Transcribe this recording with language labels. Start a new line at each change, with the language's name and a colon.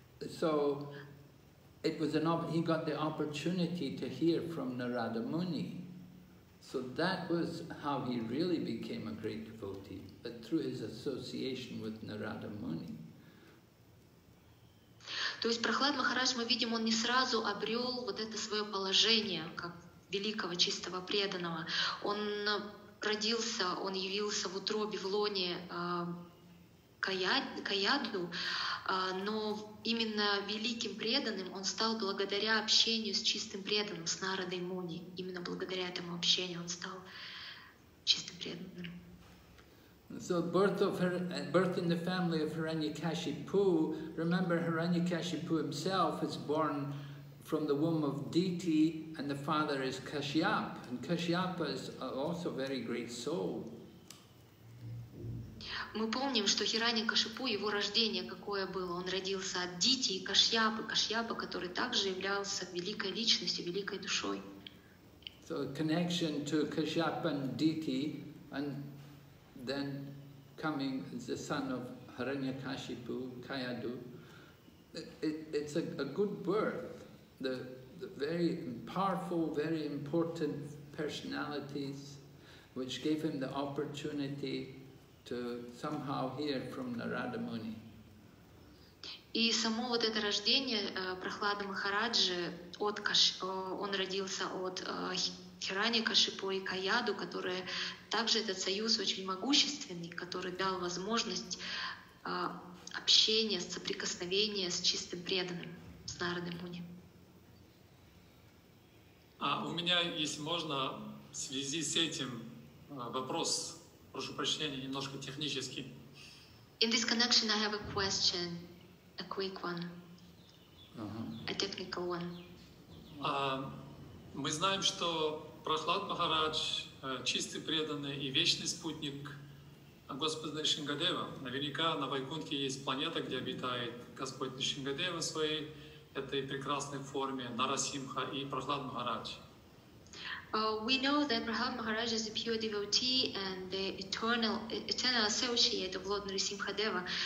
English: So it was he got the opportunity to hear from Narada Muni. So that was how he really became a great devotee, but through his association with Narada Muni.
Russian: То есть Прахлад Махарадж, мы видим, он не сразу обрел вот это свое положение, как великого чистого преданного. Он родился, он явился в утробе в лоне Каяду, но именно великим преданным он стал благодаря общению с чистым преданным, с Нарадой Муни. Именно благодаря этому общению он стал чистым преданным.
English: So birth in the family of Hiranyakashipu. Remember, Hiranyakashipu himself is born from the womb of Diti, and the father is Kashyap, and Kashyapa is also a very great soul.
Russian: Мы помним, что Хираньякашипу, его рождение какое было, он родился от Дити и Кашьяпы, Кашьяпа, который также являлся великой личностью, великой душой.
English: So a connection to Kashyap and Diti, and then coming as the son of Hiranyakashipu, Kayadu, it's a good birth. The very powerful, very important personalities which gave him the opportunity to somehow hear from Narada Muni.
Russian: И само вот это рождение Прахлады Махараджи, он родился от Хиранякашипу и Каяду, которые также этот союз очень могущественный, который дал возможность общения, соприкосновения с чистым преданным, с Нарадой Муни. А у меня, если можно, в связи с этим вопрос, прошу прощения, немножко технически.
English: In this connection, I have a question, a quick one, a technical one.
Russian: Мы знаем, что Прахлад Махарадж, чистый преданный и вечный спутник Господа Нришингадева. Наверняка на Вайкунтхе есть планета, где обитает Господь Нришингадева в своей этой прекрасной форме, Нарасимха и Прахлад Махарадж.
English: We know that Prahlad Maharaj is a pure devotee and the eternal associate of Lord Narasimhadeva.